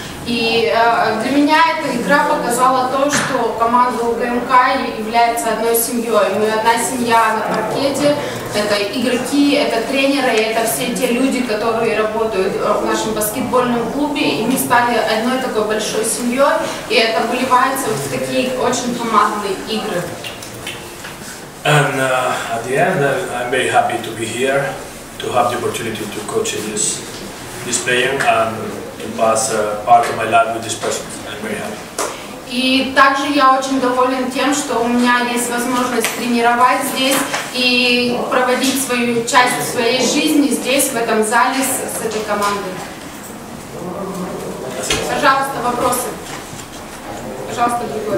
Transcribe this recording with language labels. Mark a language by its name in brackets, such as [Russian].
[Russian] И для меня эта игра показала то, что команда УГМК является одной семьей. Мы одна семья на паркете, это игроки, это тренеры, и это все те люди, которые работают в нашем баскетбольном клубе. И мы стали одной такой большой семьей, и это выливается вот в такие очень командные игры. [English] And at the end, I'm very happy to be here, to have the opportunity to coach this player. Was part of my life with this person. I'm very happy. [Russian] И также я очень доволен тем, что у меня есть возможность тренировать здесь и проводить свою часть своей жизни здесь, в этом зале с этой командой. Пожалуйста, вопросы. Пожалуйста, другой.